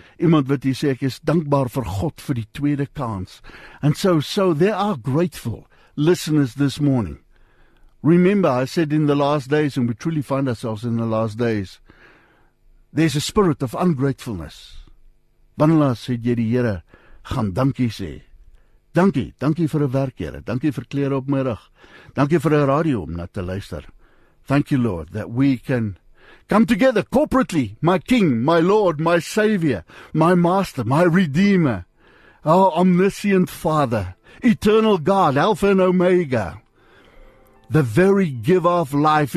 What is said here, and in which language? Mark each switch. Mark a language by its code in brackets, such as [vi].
[af] Iemand wat hier sê, ek is dankbaar vir God vir die tweede kans. [en] And so there are grateful listeners this morning. Remember, I said in the last days, and we truly find ourselves in the last days, there's a spirit of ungratefulness. [af] Wanneer sê jy die Here, gaan dankie sê. Dankie, dankie vir 'n werk, Here. Dankie vir klere op my rug. Dankie vir 'n radio om na te luister. [en] Thank you, Lord, that we can come together corporately, my King, my Lord, my Savior, my Master, my Redeemer, our Omniscient Father, Eternal God, Alpha and Omega, the very giver of life.